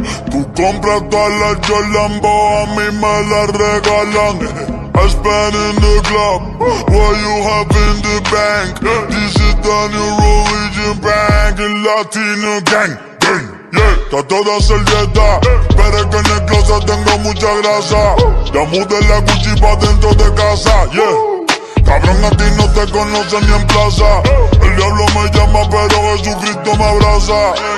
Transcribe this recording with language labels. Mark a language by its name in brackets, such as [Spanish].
[Spanish] Tú compras todas las Yolambo, a mí me las regalan. [English] I spend in the club, what you have in the bank. This is the new religion bank, [Spanish] el latino gang, gang. Está toda servieta, pero es que en el closet tengo mucha grasa. Ya mudé la Gucci pa' dentro de casa, yeah. Cabrón, a ti no te conocen ni en plaza. El diablo me llama, pero Jesucristo me abraza.